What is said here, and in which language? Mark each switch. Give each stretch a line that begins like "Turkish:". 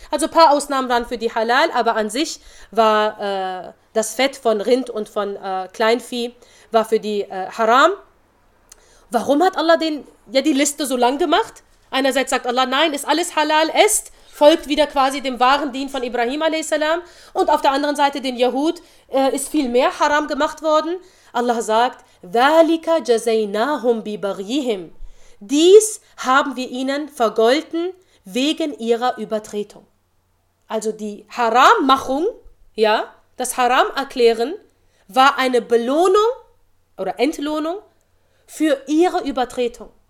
German: Also ein paar Ausnahmen waren für die halal, aber an sich war das Fett von Rind und von Kleinvieh war für die haram. Warum hat Allah die Liste so lang gemacht? Einerseits sagt Allah, nein, ist alles halal, esst, folgt wieder quasi dem wahren Dien von Ibrahim a.s. Und auf der anderen Seite, den Yahud, ist viel mehr haram gemacht worden. Allah sagt,
Arabic: ذَلِكَ جَزَيْنَاهُمْ بِبَغْيِهِمْ.
German: Dies haben wir ihnen vergolten wegen ihrer Übertretung. Also die Harammachung, ja, das Haram-Erklären war eine Belohnung oder Entlohnung für ihre Übertretung.